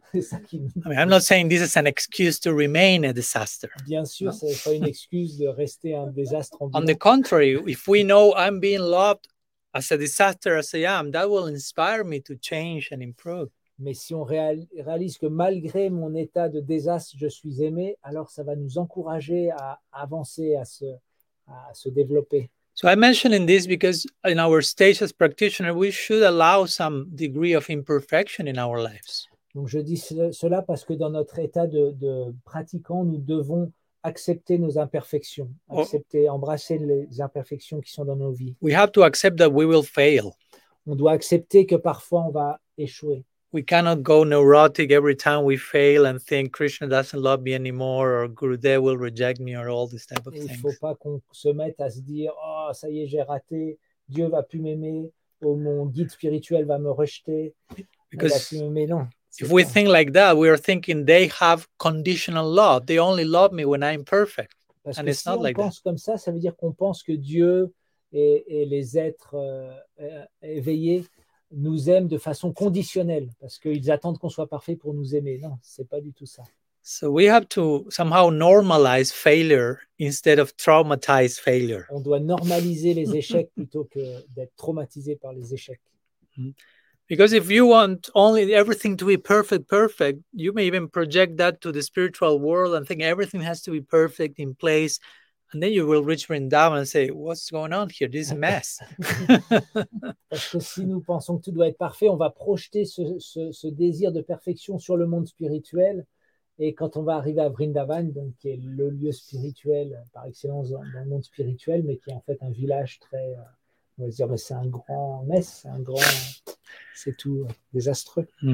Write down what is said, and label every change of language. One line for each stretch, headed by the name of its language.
French: C'est ça qui.
English: I'm not saying this is an excuse to remain a disaster.
French: Bien sûr, no? C'est pas une excuse de rester un désastre.
English: On the contrary, if we know I'm being loved as a disaster as I am, that will inspire me to change and improve.
French: Mais si on réalise que malgré mon état de désastre, je suis aimé, alors ça va nous encourager à avancer, à se développer.
English: So I'm mentioning this because in our stage as practitioner, we should allow some degree of imperfection in our lives.
French: Donc je dis cela parce que dans notre état de pratiquant, nous devons accepter nos imperfections, embrasser les imperfections qui sont dans nos vies.
English: We have to accept that we will fail.
French: On doit accepter que parfois on va échouer.
English: We cannot go neurotic every time we fail and think Krishna doesn't love me anymore or Gurudev will reject me or all these type of things.
French: Il faut pas qu'on se mette à se dire oh ça y est j'ai raté, Dieu va plus m'aimer, ou mon guide spirituel va me rejeter.
English: If we think like that, we are thinking they have conditional love. They only love me when I'm perfect. And it's not like that.
French: On pense comme ça, ça veut dire qu'on pense que Dieu et les êtres éveillés nous aiment de façon conditionnelle parce qu'ils attendent qu'on soit parfait pour nous aimer. Non, c'est pas du tout ça.
English: So we have to somehow normalize failure instead of traumatize failure.
French: On doit normaliser les échecs plutôt que d'être traumatisé par les échecs.
English: Because if you want only everything to be perfect, you may even project that to the spiritual world and think everything has to be perfect in place. And then you will reach Vrindavan and say, what's going on here? This mess.
French: Parce que si nous pensons que tout doit être parfait, on va projeter ce désir de perfection sur le monde spirituel. Et quand on va arriver à Vrindavan, donc, qui est le lieu spirituel par excellence dans le monde spirituel, mais qui est en fait un village très... on va dire, mais c'est un grand mess, c'est tout désastreux.